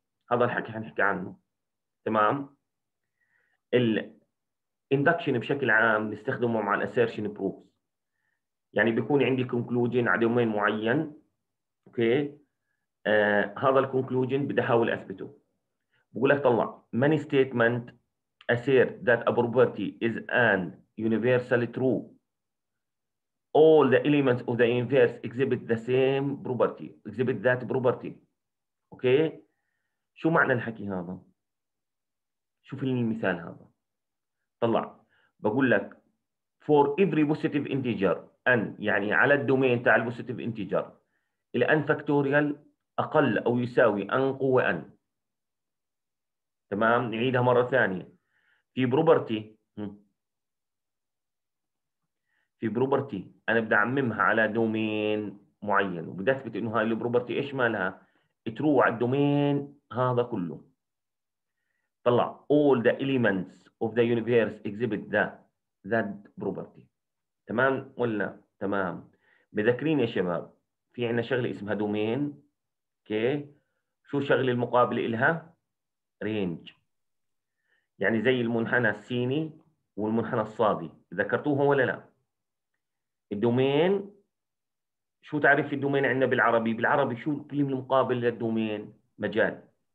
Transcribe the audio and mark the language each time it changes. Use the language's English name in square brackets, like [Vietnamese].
[Arabic] هذا الحكي حنحكي عنه، تمام؟ الإندكشن بشكل عام نستخدمه مع الأسيرشن بروفز، يعني بيكون عندي كونكلوجين على دومين معين، أوكي، هذا الكونكلوجين بدي أحاول أثبته. بقول لك طلع [English] many statement assert that a property is an universally true. All the elements of the universe exhibit the same property, exhibit that property. Okay. [Arabic] شو معنى الحكي هذا؟ شوف المثال هذا. طلع بقول لك [English] for every positive integer n، [Arabic] يعني على الدومين تاع البوزيتيف انتجر ال n factorial اقل او يساوي n قوة n. تمام، نعيدها مرة ثانية. في بروبرتي، في بروبرتي انا بدي اعممها على دومين معين وبدي اثبت انه هاي البروبرتي ايش مالها؟ ترو على الدومين هذا كله. طلع [English] all the elements of the universe exhibit that property. [Arabic] تمام ولا تمام؟ مذكرين يا شباب في عنا شغله اسمها دومين. اوكي، شو شغله المقابله لها؟ رينج، يعني زي المنحنى السيني والمنحنى الصادي، ذكرتوه ولا لا؟ الدومين، شو تعريف الدومين عندنا بالعربي؟ بالعربي شو الكلمة المقابلة للدومين؟ مجال.